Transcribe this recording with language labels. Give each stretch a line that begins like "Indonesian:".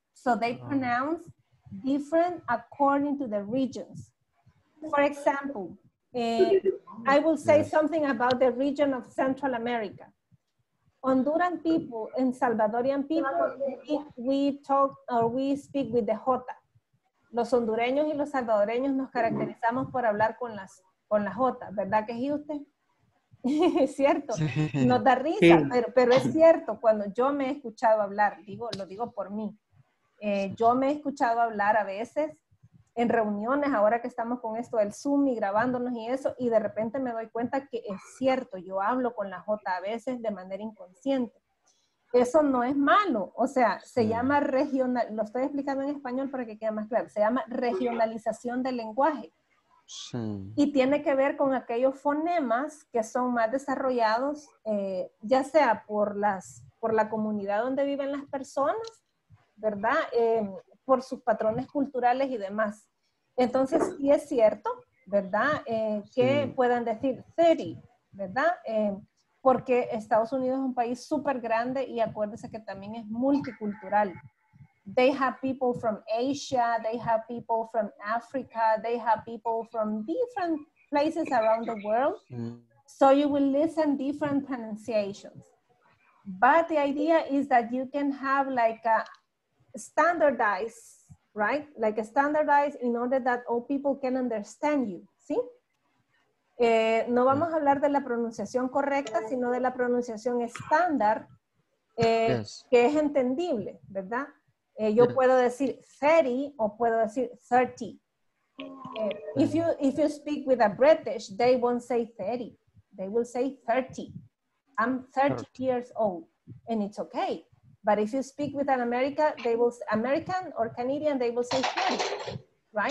English: So they pronounce different according to the regions. For example, I will say something about the region of Central America. Honduran people and Salvadorian people, we talk or we speak with the J.
Spanish: Los hondureños y los salvadoreños nos caracterizamos por hablar con la J, ¿verdad que es usted? Es cierto, nos da risa, sí. pero es cierto, cuando yo me he escuchado hablar, lo digo por mí, yo me he escuchado hablar a veces en reuniones, ahora que estamos con esto del Zoom y grabándonos y eso, y de repente me doy cuenta que es cierto, yo hablo con la J a veces de manera inconsciente. Eso no es malo, o sea, se llama regional, lo estoy explicando en español para que quede más claro, se llama regionalización del lenguaje. Sí. Y tiene que ver con aquellos fonemas que son más desarrollados, ya sea por la comunidad donde viven las personas, ¿verdad? Por sus patrones culturales y demás. Entonces, sí es cierto, ¿verdad? Que puedan decir 30, ¿verdad? Porque Estados Unidos es un país súper grande y acuérdense que también es multicultural.
English: They have people from Asia, they have people from Africa, they have people from different places around the world. So you will listen different pronunciations. But the idea is that you can have like a standardized, right? Like a standardized in order that all people can understand you, ¿sí?
Spanish: No vamos a hablar de la pronunciación correcta, sino de la pronunciación estándar, que es entendible, ¿verdad? Yo puedo decir 30 o puedo decir 30.
English: If you speak with a British, they won't say 30. They will say 30. I'm 30 years old and it's okay. But if you speak with an American, they will American or Canadian, they will say 30, right?